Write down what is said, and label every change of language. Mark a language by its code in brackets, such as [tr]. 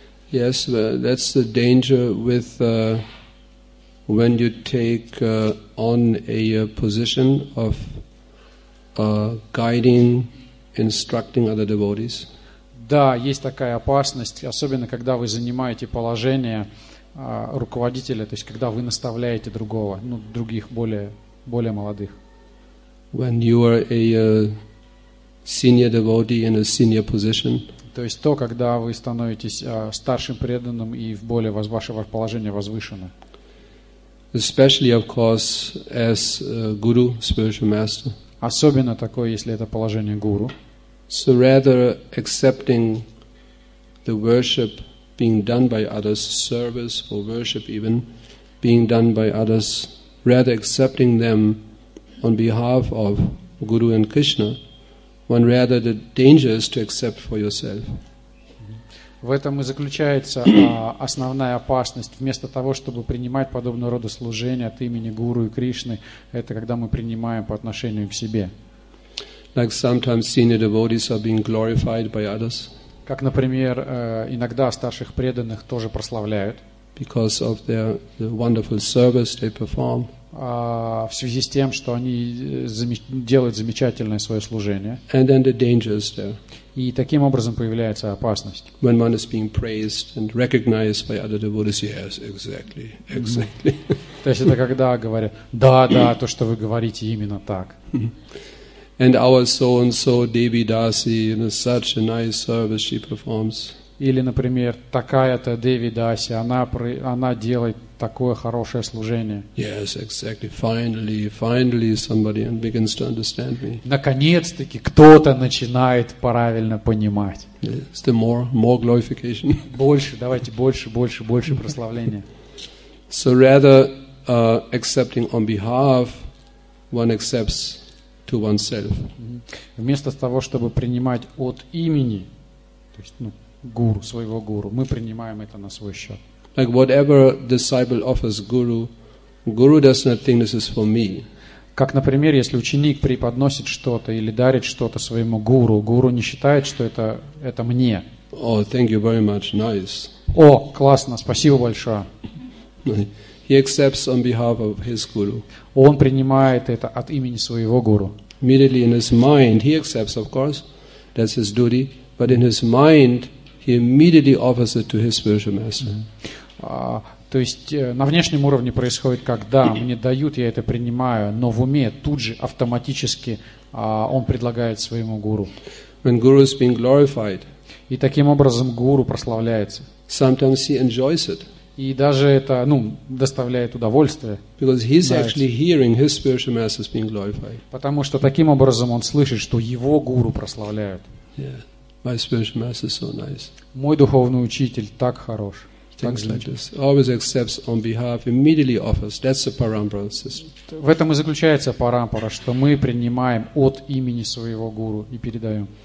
[en] Yes, that's the danger with when you take on a position of guiding, instructing other devotees. [ru] Да, есть такая опасность, особенно когда вы занимаете положение руководителя, то есть когда вы наставляете другого, других более молодых. [en] When you are a senior devotee in a senior position. [ru] То есть то, когда вы становитесь старшим преданным и в более ваше положение возвышено. [en] Especially, of course, as guru, spiritual master. [ru] Особенно такое, если это положение гуру. [en] So rather accepting the worship being done by others, service or worship even being done by others, rather accepting them on behalf of guru and Krishna. One rather the danger is to accept for yourself. [ru] В этом и заключается основная опасность. Вместо того, чтобы принимать подобного рода служение от имени Гуру и Кришны, это когда мы принимаем по отношению к себе. [en] Like sometimes senior devotees are being glorified by others. [ru] Как, например, иногда старших преданных тоже прославляют. [en] Because of the wonderful service they perform. [ru] В связи с тем, что они делают замечательное свое служение. [en] And then the danger is there. [ru] И таким образом появляется опасность. [en] When one is being praised and recognized by other devotees, yes, exactly, exactly. [ru] То есть это когда говорят, да, то, что вы говорите, именно так. [en] And our so-and-so Devi Dasi, you know, such a nice service she performs. [ru] Или, например, такая-то Деви Даси, она делает такое хорошее служение. [en] Yes, exactly. Finally somebody begins to understand me. [ru] Наконец-таки кто-то начинает правильно понимать. [en] Yes, the more glorification. [ru] Больше, давайте больше прославления. [en] So rather accepting on behalf, one accepts to oneself. [ru] Вместо того, чтобы принимать от имени, то есть, гуру, своего гуру. Мы принимаем это на свой счет. [en] Like whatever disciple offers guru, guru does not think this is for me. [ru] Как, например, если ученик преподносит что-то или дарит что-то своему гуру, гуру не считает, что это мне. [en] Oh, thank you very much. Nice. [ru] О, классно, спасибо большое. [en] He accepts on behalf of his guru. [ru] Он принимает это от имени своего гуру. [en] Immediately in his mind, he accepts, of course, that's his duty, but in his mind, he immediately offers it to his spiritual master. [ru] То есть на внешнем уровне происходит, когда мне дают, я это принимаю, но в уме тут же автоматически он предлагает своему гуру. [en] When guru is being glorified. [ru] И таким образом гуру прославляется. [en] Sometimes he enjoys it. [ru] И даже это, ну, доставляет удовольствие. [en] Because he's actually hearing his spiritual master being glorified. [ru] Потому что таким образом он слышит, что его гуру прославляют. [en] Yeah, my spiritual master is so nice. [ru] Мой духовный учитель так хорош. [en] Things like this. Always accepts on behalf, immediately offers. That's the parampara system. [ru] В этом и заключается парампара, что мы принимаем от имени своего гуру и передаем.